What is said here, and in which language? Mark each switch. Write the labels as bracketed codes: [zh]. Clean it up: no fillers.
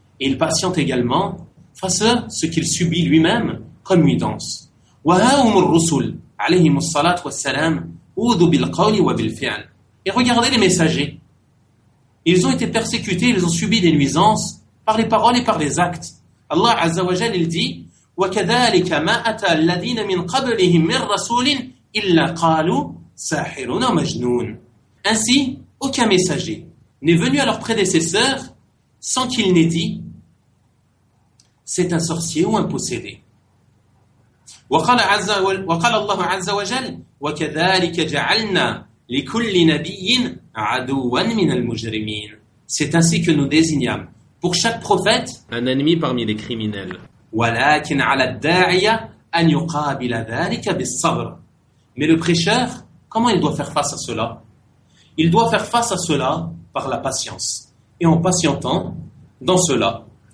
[fr] Il patiente également face à ce qu'il subit lui-même comme une danse. [ar] وَهَاهُمُ الرُّسُلُ عَلَيْهِمُ الصَّلَاةُ وَالسَّلَامُ أُوذُوا بِالْقَوْلِ وَبِالْفِعْلِ. [fr] Et regardez les messagers. Ils ont été persécutés, ils ont subi des nuisances par les paroles et par les actes. Allah Azza wa Jal, il dit: [ar] وَكَذَلِكَ مَا أَتَى الَّذِينَ مِنْ قَبْلِهِمْ مِنْ رَسُولٍ إِلَّا قَالُوا سَاحِرٌ أَوْ مَجْنُونٌ. [fr] Ainsi, aucun messager n'est venu à leurs prédécesseurs sans qu'il n'ait dit: c'est un sorcier ou un possédé. [ar] وَقَالَ اللَّهُ عَزَّ وَجَلَّ وَكَذَلِكَ جَعَلْنَا لِكُلِّ نَبِيٍّ عَدُوًا مِنَ الْمُجْرِمِينَ. [fr] C'est ainsi que nous désignâmes pour chaque prophète un ennemi parmi les criminels. [ar] ولكن على الداعية أن يقابل ذلك بالصبر. [fr] Mais le prêcheur, comment il doit faire face à cela? Il doit faire face à cela par la patience et en patientant dans cela.